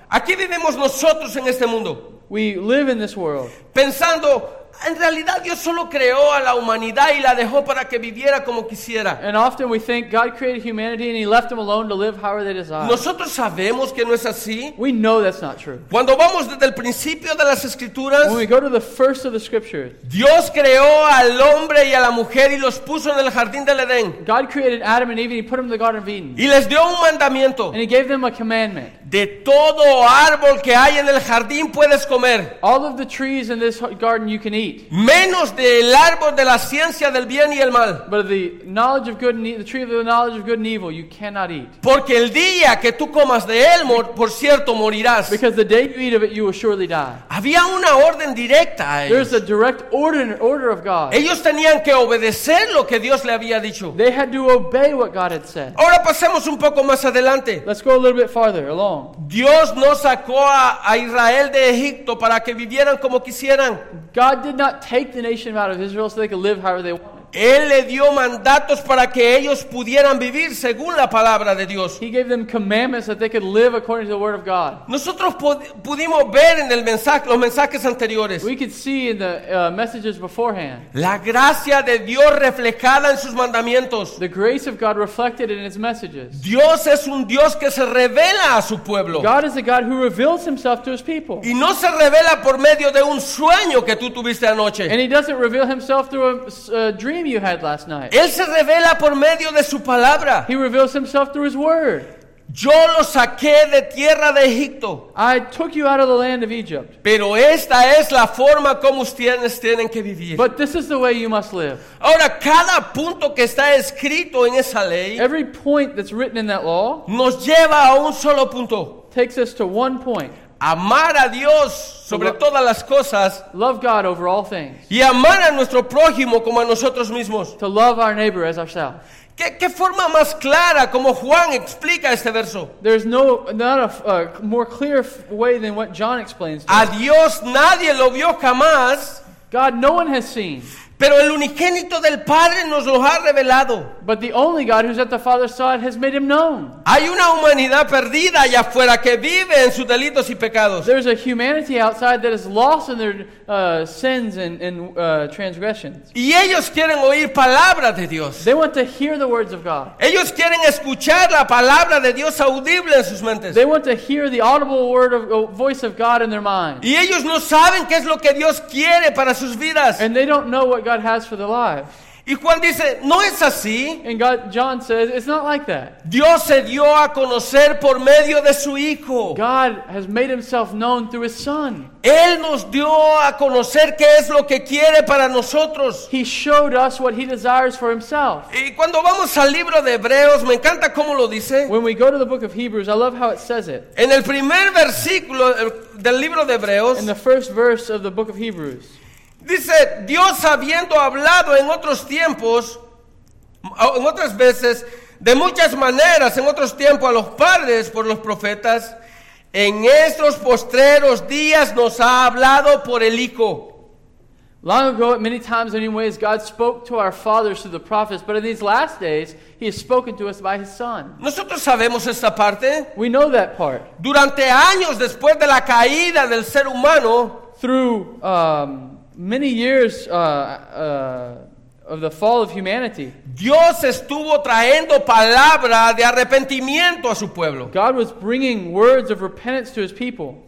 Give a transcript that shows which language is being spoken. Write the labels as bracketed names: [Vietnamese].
[Spanish] Aquí vivimos nosotros en este mundo. [English] We live in this world. [Spanish] Pensando, en realidad Dios solo creó a la humanidad y la dejó para que viviera como quisiera. [English] And often we think God created humanity and he left them alone to live however they desire. [Spanish] Nosotros sabemos que no es así. [English] We know that's not true. [Spanish] Cuando vamos desde el principio de las escrituras, [English] when we go to the first of the scriptures, [Spanish] Dios creó al hombre y a la mujer y los puso en el jardín del Edén. [English] God created Adam and Eve and he put them in the Garden of Eden. [Spanish] Y les dio un mandamiento. [English] And he gave them a commandment. [Spanish] De todo árbol que hay en el jardín puedes comer. [English] All of the trees in this garden you can eat. [Spanish] Menos del árbol de la ciencia del bien y el mal. [English] But the knowledge of good and the tree of the knowledge of good and evil, you cannot eat. [Spanish] Porque el día que tú comas de él, por cierto, morirás. [English] Because the day you eat of it, you will surely die. [Spanish] Había una orden directa. [English] There's a direct order of God. [Spanish] Ellos tenían que obedecer lo que Dios le había dicho. [English] They had to obey what God had said. [Spanish] Ahora pasemos un poco más adelante. [English] Let's go a little bit farther along. [Spanish] Dios no sacó a Israel de Egipto para que vivieran como quisieran. [English] God did not take the nation out of Israel so they could live however they wanted. [Spanish] Él le dio mandatos para que ellos pudieran vivir según la palabra de Dios. [English] He gave them commandments that they could live according to the word of God. [Spanish] Nosotros pudimos ver en los mensajes anteriores. [English] We could see in the messages beforehand. [Spanish] La gracia de Dios reflejada en sus mandamientos. [English] The grace of God reflected in his messages. [Spanish] Dios es un Dios que se revela a su pueblo. [English] God is a God who reveals himself to his people. [Spanish] Y no se revela por medio de un sueño que tú tuviste anoche. [English] And he doesn't reveal himself through a dream. You had last night. [Spanish] Él se revela por medio de su palabra. [English] He reveals himself through his word. [Spanish] Yo lo saqué de tierra de Egipto. [English] I took you out of the land of Egypt. [Spanish] Pero esta es la forma como ustedes tienen que vivir. [English] But this is the way you must live. [Spanish] Ahora, cada punto que está escrito en esa ley, [English] every point that's written in that law, [Spanish] nos lleva a un solo punto. [English] Takes us to one point. [Spanish] Amar a Dios sobre todas las cosas. [English] Love God over all things. [Spanish] Y amar a nuestro prójimo como a nosotros mismos. [English] To love our neighbor as ourselves. [Spanish] ¿Qué forma más clara como Juan explica este verso? [English] There's not a more clear way than what John explains. [Spanish] A Dios nadie lo vio jamás. [English] God no one has seen. [Spanish] Pero el unigénito del Padre nos lo ha revelado. [English] But the only God who's at the Father's side has made him known. [Spanish] Hay una humanidad perdida allá afuera que vive en sus delitos y pecados. [English] There's a humanity outside that is lost in their sins and transgressions. [Spanish] Y ellos quieren oír palabra de Dios. [English] They want to hear the words of God. [Spanish] Ellos quieren escuchar la palabra de Dios audible en sus mentes. [English] They want to hear the audible word of voice of God in their mind. [Spanish] Y ellos no saben qué es lo que Dios quiere para sus vidas. [English] And they don't know what God has for their lives. [Spanish] Y Juan dice, no es así. [English] And God, John says, it's not like that. [Spanish] Dios se dio a conocer por medio de su hijo. [English] God has made himself known through his son. [Spanish] Él nos dio a conocer qué es lo que quiere para nosotros. [English] He showed us what he desires for himself. [Spanish] Y cuando vamos al libro de Hebreos, me encanta cómo lo dice. [English] When we go to the book of Hebrews, I love how it says it. [Spanish] En el primer versículo del libro de Hebreos, [English] in the first verse of the book of Hebrews, [Spanish] dice, Dios habiendo hablado en otros tiempos, en otras veces, de muchas maneras, en otros tiempos a los padres por los profetas, en estos postreros días nos ha hablado por el Hijo. [English] Long ago, at many times and in many ways, God spoke to our fathers through the prophets, but in these last days, he has spoken to us by his son. [Spanish] Nosotros sabemos esta parte. [English] We know that part. [Spanish] Durante años después de la caída del ser humano, [English] through many years of the fall of humanity, [Spanish] Dios estuvo trayendo palabra de arrepentimiento a su pueblo. [English] God was bringing words of repentance to his people.